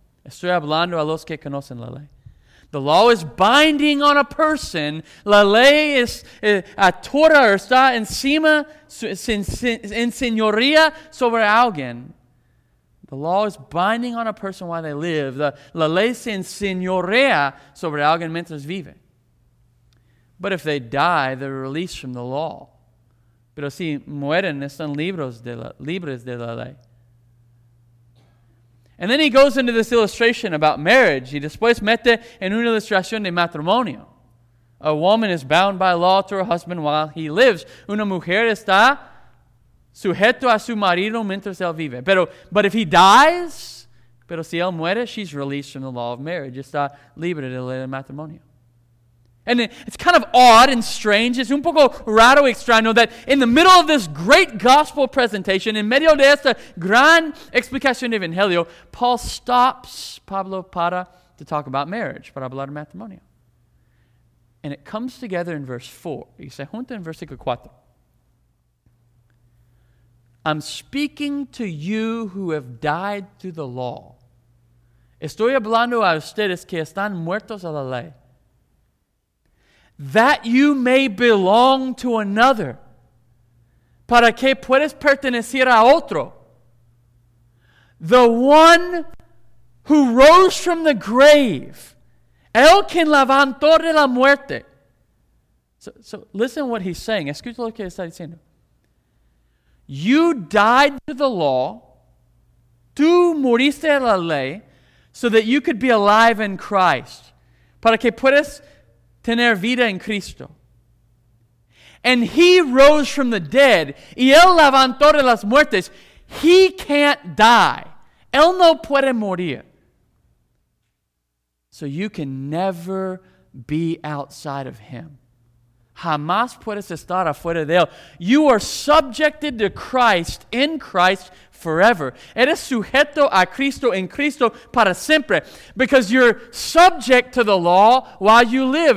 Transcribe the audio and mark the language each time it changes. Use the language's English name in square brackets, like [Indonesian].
[Spanish] Estoy hablando a los que conocen la ley. [English] The law is binding on a person. [Spanish] La ley es a Torah, está encima, en señoría sobre alguien. [English] The law is binding on a person while they live. [Spanish] La ley se enseñorea sobre alguien mientras vive. [English] But if they die, they're released from the law. [Spanish] Pero si mueren, están libres de la ley. [English] And then he goes into this illustration about marriage. [Spanish] Y después mete en una ilustración de matrimonio. [English] A woman is bound by law to her husband while he lives. [Spanish] Una mujer está sujeto a su marido mientras él vive. [English] But if he dies, [Spanish] pero si él muere, [English] she's released from the law of marriage. [Spanish] Está libre de la ley de matrimonio. [English] And it's kind of odd and strange. [Spanish] Es un poco raro y extraño [English] that in the middle of this great gospel presentation, [Spanish] en medio de esta gran explicación de Evangelio, [English] Paul stops [Spanish] Pablo para [English] to talk about marriage, [Spanish] para hablar de matrimonio. [English] And it comes together in verse 4. [Spanish] Y se junta en versículo 4. [English] I'm speaking to you who have died through the law. [Spanish] Estoy hablando a ustedes que están muertos a la ley. [English] That you may belong to another. [Spanish] Para que puedes pertenecer a otro. [English] The one who rose from the grave. [Spanish] El quien levantó de la muerte. [English] So listen what he's saying. [Spanish] Escucha lo que está diciendo. [English] You died to the law. [Spanish] Tú moriste a la ley. [English] So that you could be alive in Christ. [Spanish] Para que puedas tener vida en Cristo. [English] And he rose from the dead. [Spanish] Y él levantó de las muertes. [English] He can't die. [Spanish] Él no puede morir. [English] So you can never be outside of him. [Spanish] Jamás puedes estar afuera de él. [English] You are subjected to Christ in Christ forever. [Spanish] Eres sujeto a Cristo en Cristo para siempre. [English] Because you're subject to the law while you live.